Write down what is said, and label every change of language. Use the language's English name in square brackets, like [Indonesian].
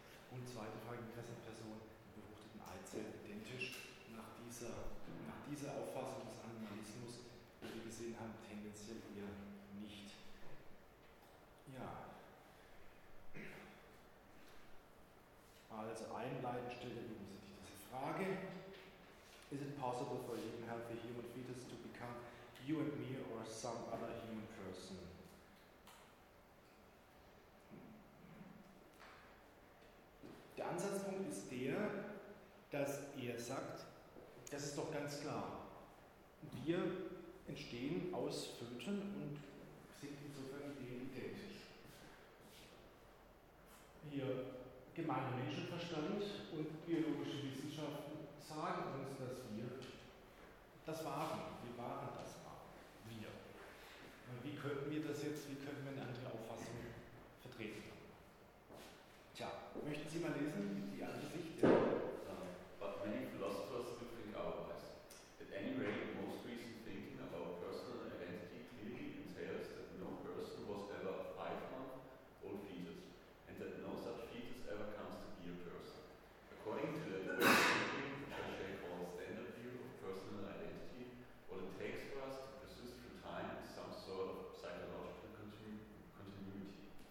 [German] Und zweite Frage, inwiefern sind Personen mit befruchteten Eizellen identisch? Nach dieser Auffassung des Animalismus, die wir gesehen haben, tendenziell eher nicht. Ja. Also einleitend stellt er eben sich diese Frage. [English] Is it possible for a human healthy human fetus to become you and me or some other human person? [German] Der Ansatzpunkt ist der, dass er sagt, das ist doch ganz klar. Wir entstehen aus Föten und sind insofern dem identisch. Wir gemeinen Menschenverstand und biologische Wissenschaften sagen uns, dass wir das waren. Wir waren das Wahre. Wir. Wie könnten wir das jetzt, wie könnten wir eine andere Auffassung vertreten? Tja, möchten Sie mal lesen, die andere Sicht? [English] But many philosophers do think otherwise. At any rate, most recent thinking about personal identity clearly entails that no person was ever a 5-month-old fetus, and that no such fetus ever comes to be a person. According to the thinking, which I shall call a standard view of personal identity, what it takes for us to persist through time is some sort of psychological continuity.